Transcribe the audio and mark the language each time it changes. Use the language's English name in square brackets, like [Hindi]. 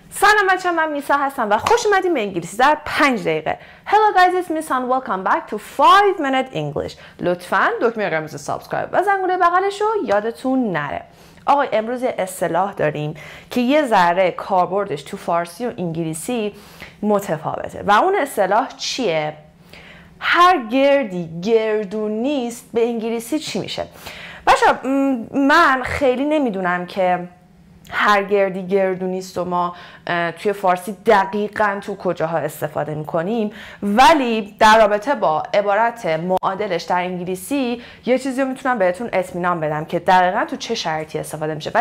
[Persian] سلام بچه ها، من میسا هستم و خوش اومدیم به انگلیسی در 5 دقیقه. [English] Hello guys, it's Misa and welcome back to 5 minute English. [Persian] لطفاً دکمه قرمز سابسکرایب و زنگوله بغلشو یادتون نره. آقا امروز یه اصطلاح داریم که یه ذره کاربردش تو فارسی و انگلیسی متفاوته و اون اصطلاح چیه؟ هر گردی گردو نیست به انگلیسی چی میشه؟ بچه ها من خیلی نمیدونم که هر گردی گردو نیست و ما توی فارسی دقیقاً تو کجاها استفاده می‌کنیم، ولی در رابطه با عبارت معادلش در انگلیسی یه چیزی رو میتونم بهتون اطمینان بدم که دقیقاً تو چه شرطی استفاده میشه.